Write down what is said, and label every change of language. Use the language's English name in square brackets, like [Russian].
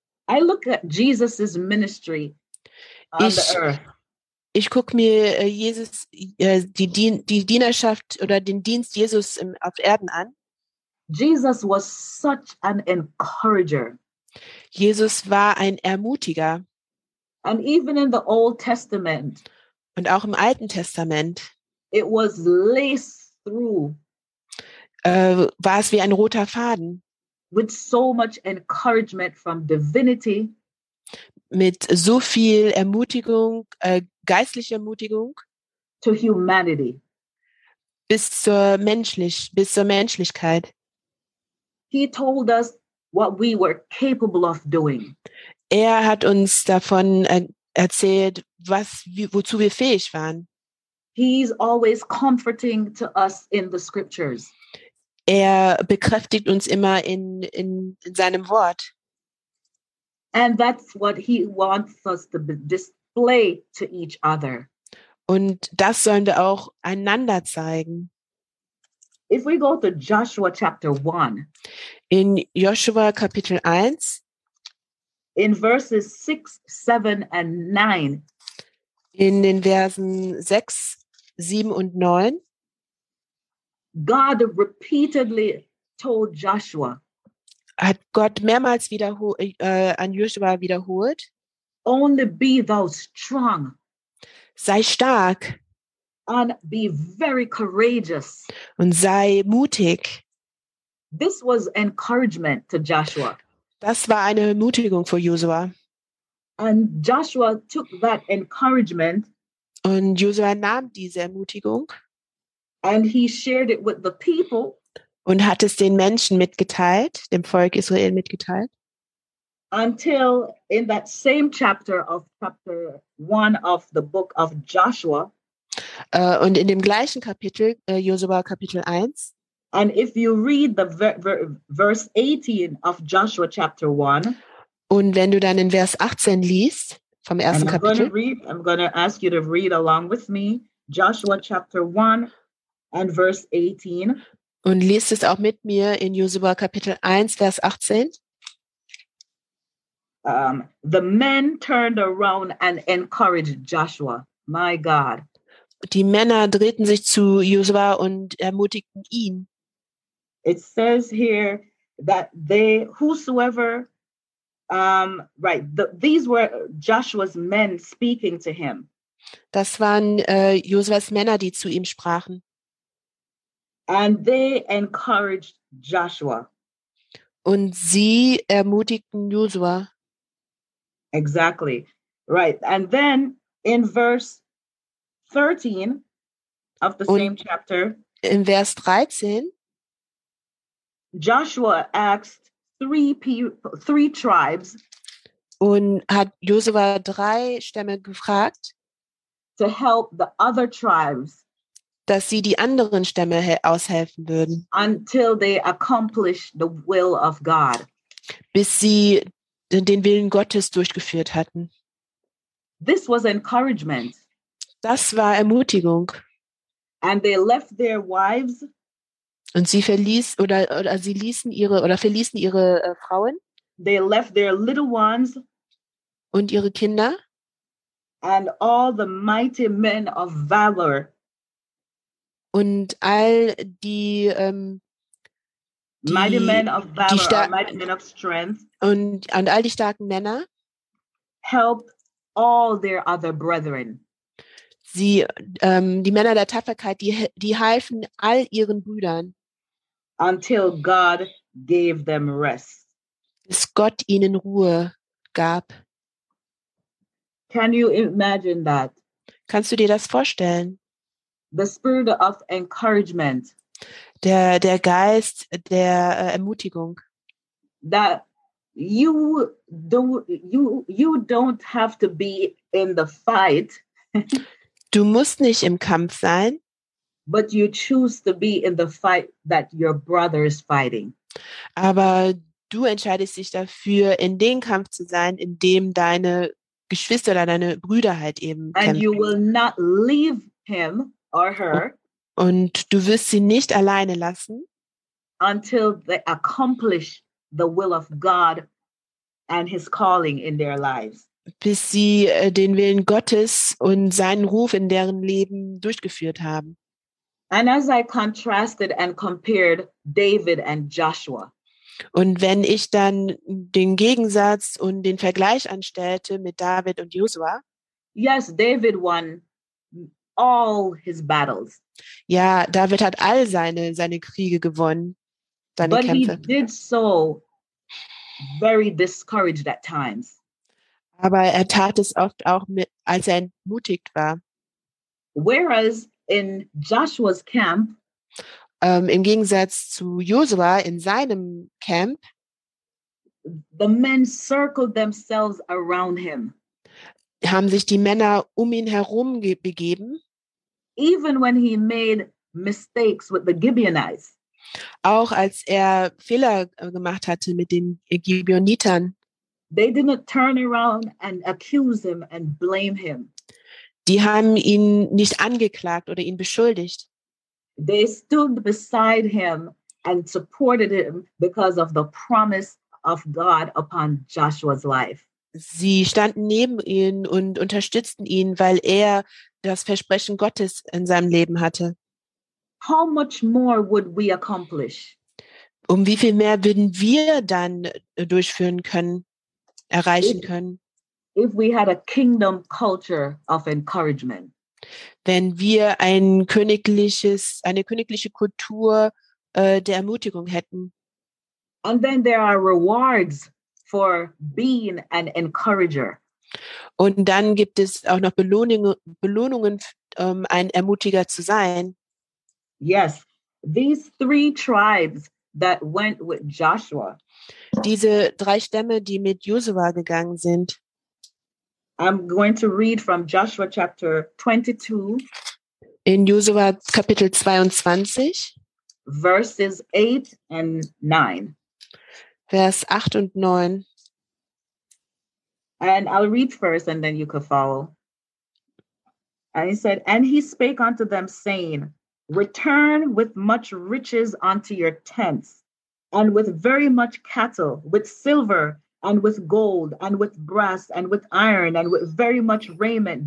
[English] I look at Jesus's ministry on the earth. [German] Ich gucke mir Jesus die Dienerschaft oder den Dienst Jesus auf Erden an. [English] Jesus was such an encourager. [German] Jesus war ein Ermutiger. [English] And even in the Old Testament. [German] Und auch im Alten Testament. [English] It was laced through. [German] War es wie ein roter Faden. [English] With so much encouragement from divinity. [German] Mit so viel Ermutigung, geistliche Ermutigung. [English] To humanity. [German] Bis zur Menschlichkeit. [English] He told us what we were capable of doing. [German] Er hat uns davon erzählt, wozu wir fähig waren. [English] He's always comforting to us in the scriptures. [German] Er bekräftigt uns immer in seinem Wort. [English] And that's what he wants us to display to each other. [German] Und das sollen wir auch einander zeigen. [English] If we go to Joshua chapter 1. [German] In Joshua Kapitel 1. [English] In verses 6, 7 and 9. [German] In den Versen 6, 7 und 9. [English] God repeatedly told Joshua. [German] Hat Gott mehrmals an Joshua wiederholt. [English] Only be thou strong. [German] Sei stark. [English] And be very courageous. [German] Und sei mutig. [English] This was encouragement to Joshua. [German] Das war eine Ermutigung für Joshua. [English] And Joshua took that encouragement. [German] Und Joshua nahm diese Ermutigung. [English] And he shared it with the people. [German] Und hat es den Menschen mitgeteilt, dem Volk Israel mitgeteilt. [English] Until in that same chapter of chapter 1 of the book of Joshua. [German] Und in dem gleichen Kapitel, Joshua Kapitel 1. [English] And if you read the verse 18 of Joshua chapter 1. [German] Und wenn du dann in Vers 18 liest, vom ersten [English] I'm [German] Kapitel. [English] I'm going to ask you to read along with me. Joshua chapter 1 and verse 18. [German] Und liest es auch mit mir in Josua Kapitel 1, Vers 18. [English] The men turned around and encouraged Joshua. My God. [German] Die Männer drehten sich zu Josua und ermutigten ihn. [English] It says here that they, whosoever, these were Joshua's men speaking to him. [German] Das waren Josuas Männer, die zu ihm sprachen. [English] And they encouraged Joshua. [German] Und sie ermutigten Josua. [English] Exactly. Right. And then in verse 13 of the same chapter. [German] In Vers 13. [English] Joshua asked three tribes. [German] Und hat Josua drei Stämme gefragt. [English] To help the other tribes. [German] Dass sie die anderen Stämme aushelfen würden. [English] Until they accomplish the will of God. [German] Bis sie den Willen Gottes durchgeführt hatten. [English] This was encouragement. [German] Das war Ermutigung. [English] And they left their wives. [German] Und sie verließen ihre Frauen. [English] They left their little ones. [German] Und ihre Kinder. [English] And all the mighty men of valor. [German] Und all die [English] mighty men of valor, mighty men of strength. [German] Und all die starken Männer. [English] Helped all their other brethren. [German] Sie, die Männer der Tapferkeit, die halfen all ihren Brüdern. [English] Until God gave them rest. [German] Bis Gott ihnen Ruhe gab. [English] Can you imagine that? [German] Kannst du dir das vorstellen? [English] The spirit of encouragement. [German] Der Geist der Ermutigung. [English] That you don't have to be in the fight. [German] Du musst nicht im Kampf sein. [English] But you choose to be in the fight that your brother is fighting. [German] Aber du entscheidest dich dafür, in den Kampf zu sein, in dem deine Geschwister oder deine Brüder halt eben kämpfen. [English] And you will not leave him or her. [German] Und du wirst sie nicht alleine lassen. [English] Until they accomplish the will of God and his calling in their lives. [German] Bis sie den Willen Gottes und seinen Ruf in deren Leben durchgeführt haben. [English] And as I contrasted and compared David and Joshua. [German] Und wenn ich dann den Gegensatz und den Vergleich anstellte mit David und Josua. [English] Yes, David won all his battles. [German] Ja, David hat all seine Kriege gewonnen, seine [English] But [German] Kämpfe. [English] He did so very discouraged at times. [German] Aber er tat es oft auch mit, als er entmutigt war. [English] Whereas in Joshua's camp, [German] im Gegensatz zu Josua in seinem Camp, [English] the men circled themselves around him. [German] Haben sich die Männer um ihn herum begeben. [English] Even when he made mistakes with the Gibeonites. [German] Auch als er Fehler gemacht hatte mit den Gibeonitern. [English] They didn't turn around and accuse him and blame him. [German] Die haben ihn nicht angeklagt oder ihn beschuldigt. [English] They stood beside him and supported him because of the promise of God upon Joshua's life. [German] Sie standen neben ihn und unterstützten ihn, weil er das Versprechen Gottes in seinem Leben hatte. [English] How much more would we accomplish? [German] Um wie viel mehr würden wir dann durchführen können, erreichen können? [English] If we had a kingdom culture of encouragement. [German] Wenn wir eine königliche Kultur der Ermutigung hätten. [English] And then there are rewards for being an encourager. [German] Und dann gibt es auch noch Belohnungen, ein Ermutiger zu sein. [English] Yes, these three tribes that went with Joshua. [German] Diese drei Stämme, die mit Josua gegangen sind. [English] I'm going to read from Joshua chapter 22. [German] In Josua Kapitel 22. [English] verses 8 and 9. [German] Vers 8 und 9. [English] And I'll read first and then you could follow. And he said, and he spake unto them, saying, return with much riches unto your tents, and with very much cattle, with silver, and with gold, and with brass, and with iron, and with very much raiment.